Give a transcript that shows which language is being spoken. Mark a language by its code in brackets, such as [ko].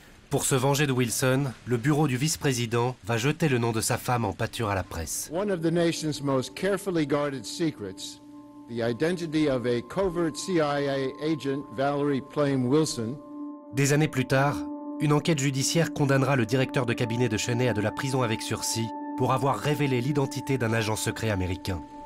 [fr] Pour se venger de Wilson, le bureau du vice-président va jeter le nom de sa femme en pâture à la presse. [en] One of the nation's most carefully guarded secrets, the identity of a covert CIA agent, Valerie Plame Wilson. [fr] Des années plus tard, une enquête judiciaire condamnera le directeur de cabinet de Cheney à de la prison avec sursis pour avoir révélé l'identité d'un agent secret américain.